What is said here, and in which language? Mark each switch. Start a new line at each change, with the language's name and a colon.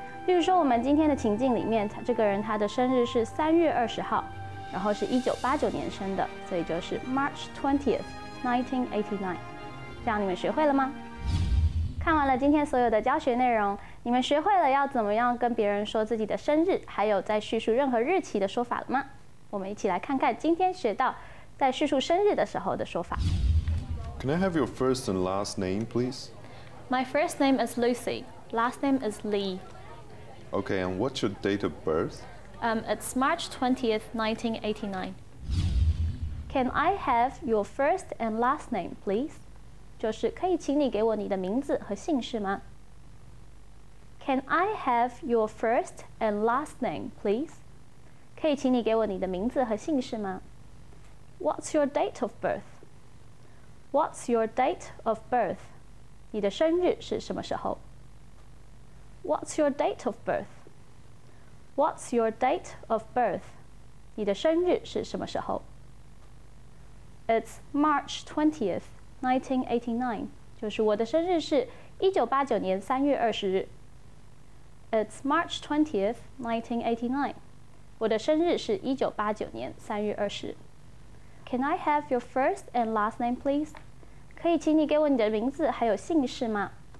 Chinese: 例如说我们今天的情境里面，这个人他的生日是三月二十号，然后是1989年生的，所以就是
English: March 20th, 1989。
Chinese: 这样你们学会了吗？看完了今天所有的教学内容，你们学会了要怎么样跟别人说自己的生日，还有在叙述任何日期的说法了吗？我们一起来看看今天学到在叙述生日的时候的说法。
English: Can I have your first and last name, please? My first name is Lucy. Last name is Lee. Okay, and what's your date of birth? It's March 20th, 1989. Can I have your first and last name, please?
Chinese: 就是可以请你给我你的名字和姓氏吗？
English: Can I have your first and last name, please?
Chinese: 可以请你给我你的名字和姓氏吗 ？
English: What's your date of birth? What's your date of birth?
Chinese: 你的生日是什么时候
English: ？What's your date of birth? What's your date of birth?
Chinese: 你的生日是什么时候
English: ？It's March 20th, 1989.
Chinese: 就是我的生日是1989年3月20日。
English: It's March 20th, 1989.
Chinese: 我的生日是1989年3月20日。
English: Can I have your first and last name, please?
Chinese: 可以请你给我你的名字还有姓氏吗？